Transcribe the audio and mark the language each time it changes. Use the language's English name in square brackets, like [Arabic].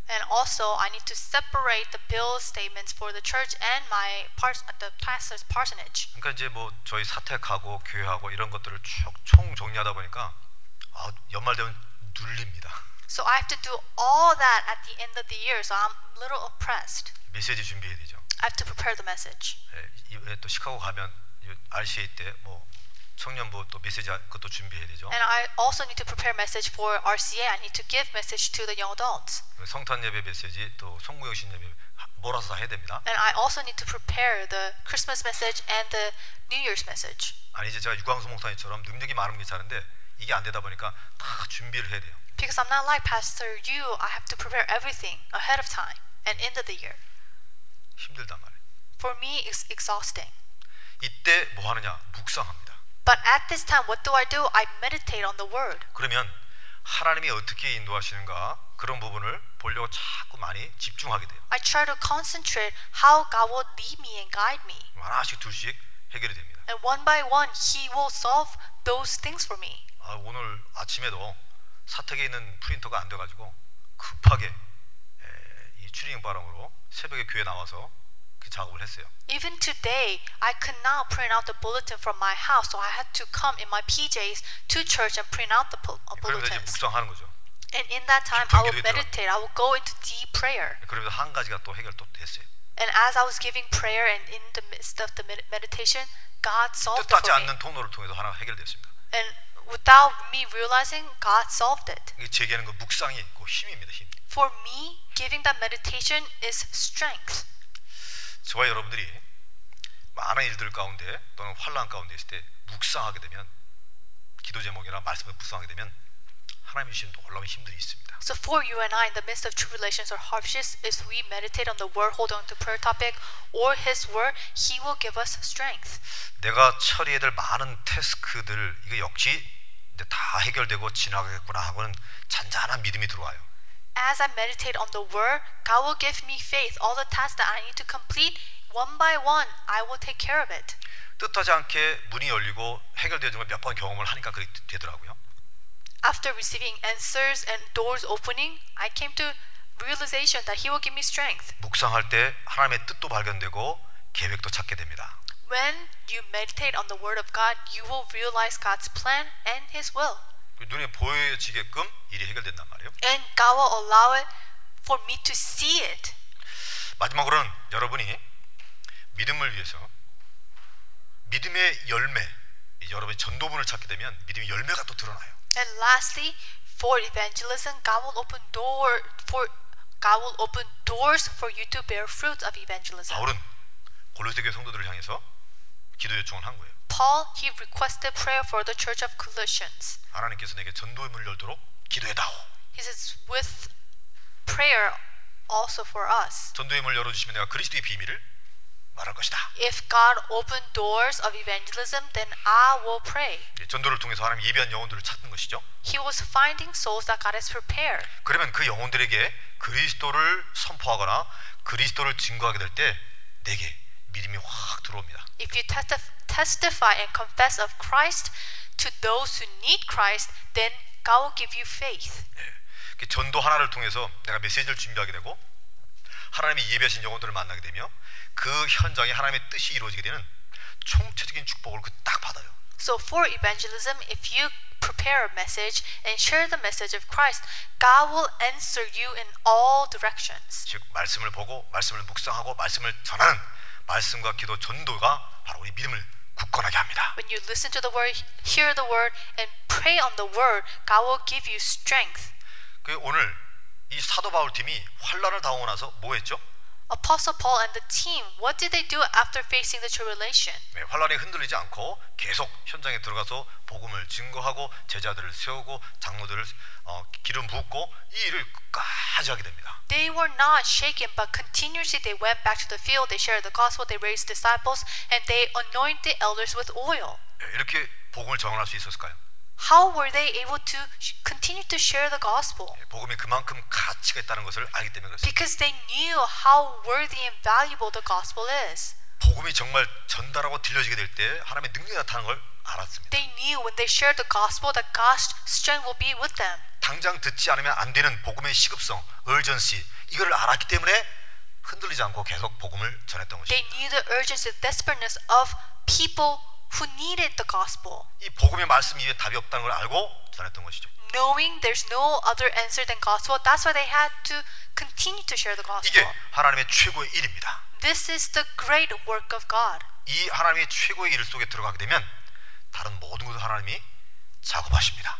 [English] And also I need to separate the bill statements for the church and my the pastor's parsonage. [Korean] 그러니까 이제 뭐 저희 사택하고 교회하고 이런 것들을 총 정리하다 보니까 연말 되면 눌립니다. [English] So I have to do all that at the end of the year, so I'm a little oppressed. [Korean] 메시지 준비해야 되죠. [English] I have to prepare the message. [Korean] 예, 또 시카고 가면 RCA 때 뭐 청년부 또 메시지 그것도 준비해야 되죠. [English] And I also need to prepare message for RCA. I need to give message to the young adults. [Korean] 성탄 예배 메시지 또 송구영신 예배 몰아서 다 해야 됩니다. [English] And I also need to prepare the Christmas message and the New Year's message. [Korean] 아니 이제 제가 유광수 목사님처럼 능력이 많은 게 잘한데 이게 안 되다 보니까 다 준비를 해야 돼요. [English] Because I'm not like Pastor Yu, I have to prepare everything ahead of time and end of the year. [Korean] 힘들단 말이에요. [English] For me, it's exhausting. [Korean] 이때 뭐 하느냐? 묵상합니다. [English] But at this time, what do? I meditate on the word. [Korean] 그러면 하나님이 어떻게 인도하시는가 그런 부분을 보려고 자꾸 많이 집중하게 돼요. [English] I try to concentrate how God will lead me and guide me. [Korean] 하나씩 둘씩 해결이 됩니다. [English] And one by one, He will solve those things for me. [Korean] 아, 오늘 아침에도 사택에 있는 프린터가 안 돼가지고 급하게 에, 이 추리닝 바람으로 새벽에 교회 나와서 그 작업을 했어요. [English] Even today, I could not print out the bulletin from my house, so I had to come in my PJs to church and print out the bulletin. [Korean] 묵상하는 거죠. [English] And in that time, I will meditate. I will go into deep prayer. [Korean] 그러면서 한 가지가 또 해결 또 됐어요. [English] And as I was giving prayer and in the midst of the meditation, God solved it for me. [Korean] 뜻하지 않는 통로를 통해서 하나 해결됐습니다. [English] And without me realizing, God solved it. [Korean] 제게는 그 묵상이 그 힘입니다. 힘. [English] For me, giving that meditation is strength. [Korean] 저와 여러분들이 많은 일들 가운데 또는 환난 가운데 있을 때 묵상하게 되면 기도 제목이나 말씀을 묵상하게 되면 하나님 주신 놀라운 힘들이 있습니다. [English] So for you and I, in the midst of tribulations or hardships, if we meditate on the word, hold on to prayer topic or His word, He will give us strength. [Korean] 내가 처리해야 될 많은 태스크들 이거 역시 이제 다 해결되고 지나가겠구나 하고는 잔잔한 믿음이 들어와요. [English] As I meditate on the word, God will give me faith. All the tasks that I need to complete, one by one, I will take care of it. [Korean] 뜻하지 않게 문이 열리고 해결되는 걸 몇 번 경험을 하니까 그렇게 되더라고요. [English] After receiving answers and doors opening, I came to realization that He will give me strength. [Korean] 묵상할 때 하나님의 뜻도 발견되고 계획도 찾게 됩니다. [English] When you meditate on the word of God, you will realize God's plan and His will. [Korean] 눈에 보여지게끔 일이 해결된단 말이에요. [English] And God will allow it for me to see it. [Korean] 마지막으로는 여러분이 믿음을 위해서 믿음의 열매, 여러분의 전도문을 찾게 되면 믿음의 열매가 또 드러나요. [English] And lastly, for evangelism, God will open door for God will open doors for you to bear fruit of evangelism. [Korean] 바울은 골로새 교회 성도들을 향해서 기도 요청을 한 거예요. [English] Paul, he requested prayer for the church of Colossians. [Korean] 하나님께서 내게 전도의 문을 열도록 기도해다오. [English] He says, with prayer also for us. [Korean] 전도의 문을 열어주시면 내가 그리스도의 비밀을 말할 것이다. [English] If God opened doors of evangelism, then I will pray. [Korean] 예, 전도를 통해서 하나님 예비한 영혼들을 찾는 것이죠. [English] He was finding souls that God has prepared. [Korean] 그러면 그 영혼들에게 그리스도를 선포하거나 그리스도를 증거하게 될 때 내게 믿음이 확 들어옵니다. [English] If you testify and confess of Christ to those who need Christ, then God will give you faith. [Korean] 예, 전도 하나를 통해서 내가 메시지를 준비하게 되고 하나님이 예비하신 영혼들을 만나게 되며 그 현장에 하나님의 뜻이 이루어지게 되는 총체적인 축복을 그 딱 받아요. [English] So for evangelism, if you prepare a message and share the message of Christ, God will answer you in all directions. [Korean] 즉 말씀을 보고 말씀을 묵상하고 말씀을 전하는 말씀과 기도 전도가 바로 우리 믿음을 굳건하게 합니다. [English] When you listen to the word, hear the word, and pray on the word, God will give you strength. [Korean] 그 오늘 이 사도 바울 팀이 환난을 당하고 나서 뭐 했죠? [English] Apostle Paul and the team, what did they do after facing the tribulation? [Korean] 네, 환난에 흔들리지 않고 계속 현장에 들어가서 복음을 증거하고 제자들을 세우고 장로들을 기름 붓고 이 일을 끝까지 하게 됩니다. [English] They were not shaken, but continuously they went back to the field, they shared the gospel, they raised disciples, and they anointed elders with oil. [Korean] 네, 이렇게 복음을 전할 수 있었을까요? [English] How were they able to continue to share the gospel? [Korean] 복음이 그만큼 가치가 있다는 것을 알기 때문에 그렇습니다. [English] Because they knew how worthy and valuable the gospel is. [Korean] 복음이 정말 전달하고 들려지게 될 때 하나님의 능력이 나타나는 걸 알았습니다. [English] They knew when they shared the gospel that God's strength will be with them. [Korean] 당장 듣지 않으면 안 되는 복음의 시급성, urgency 이거를 알았기 때문에 흔들리지 않고 계속 복음을 전했던 것입니다. [English] They knew the urgency, the desperateness of people who needed the gospel. [Korean] 이 복음의 말씀 이외에 답이 없다는 걸 알고 전했던 것이죠. [English] Knowing there's no other answer than gospel, that's why they had to continue to share the gospel. [Korean] 이게 하나님의 최고의 일입니다. [English] This is the great work of God. [Korean] 이 하나님의 최고의 일 속에 들어가게 되면 다른 모든 것을 하나님이 작업하십니다.